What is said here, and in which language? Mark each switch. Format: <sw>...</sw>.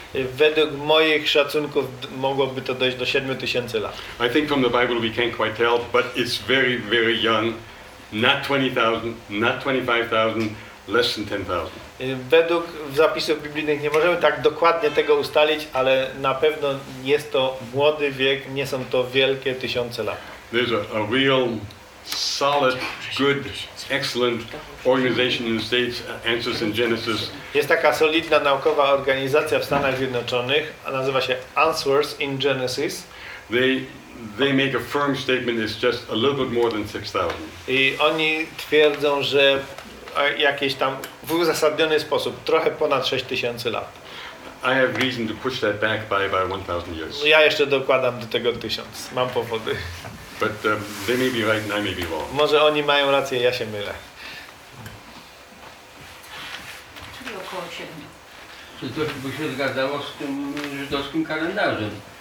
<pl>Według moich szacunków mogłoby to dojść do 7000 lat.</pl> <en>I think from the Bible we can't quite tell, but it's very, very young. Not 20,000, not 25,000, less than 10,000.</en> <pl>Według zapisów biblijnych nie możemy tak dokładnie tego ustalić, ale na pewno jest to młody wiek, nie są to wielkie tysiące lat.</pl> <en>There's a real solid, good, excellent organization in the States, Answers in Genesis.</en> <pl>Jest taka solidna naukowa organizacja w Stanach Zjednoczonych, a nazywa się Answers in Genesis.</pl> <en>They make a firm statement it's just a little bit more than 6,000.</en> <pl>I oni twierdzą, że jakieś tam w uzasadniony sposób trochę ponad 6000 lat.</pl> <en>I have reason to push that back by 1,000 years.</en> <pl>Ja jeszcze dokładam do tego 1000. Mam powody.</pl> <en>But they may be right and I may be wrong.</en> <pl>Może oni mają rację, ja się mylę. Czyli około 7. To by się zgadzało z tym żydowskim kalendarzem.</pl>